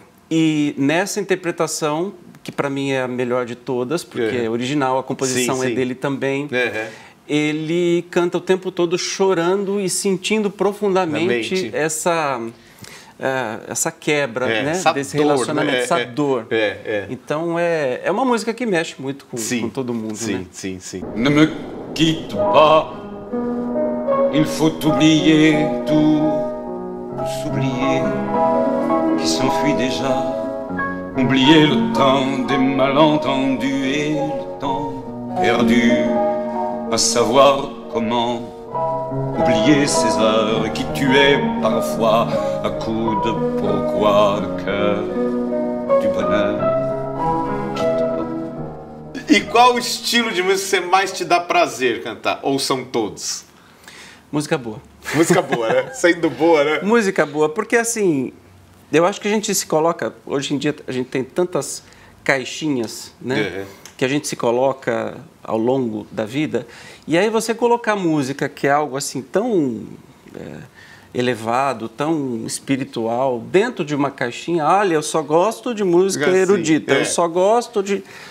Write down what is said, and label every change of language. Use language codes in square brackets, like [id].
[pt] E nessa interpretação, que para mim é a melhor de todas, porque é original, a composição é dele também, ele canta o tempo todo chorando e sentindo profundamente essa quebra, né? Essa desse dor, relacionamento, né? Essa dor. Então é uma música que mexe muito com todo mundo. Sim. [fr] Ne me quitte pas, il faut t'oublier, tout s'oublier. Qui s'enfuit déjà, oublier le temps des malentendus et le temps perdu, à savoir comment oublier ces heures qui tuaient parfois à coup de pourquoi le cœur du bonheur quitte pas. [pt] E qual o estilo de música que mais te dá prazer cantar? Ou são todos? Música boa. Música boa, né? Sendo boa, né? Música boa, porque assim. Eu acho que a gente se coloca, hoje em dia a gente tem tantas caixinhas, né, que a gente se coloca ao longo da vida, e aí você colocar música, que é algo assim tão elevado, tão espiritual, dentro de uma caixinha, olha, eu só gosto de música assim, erudita, eu só gosto de...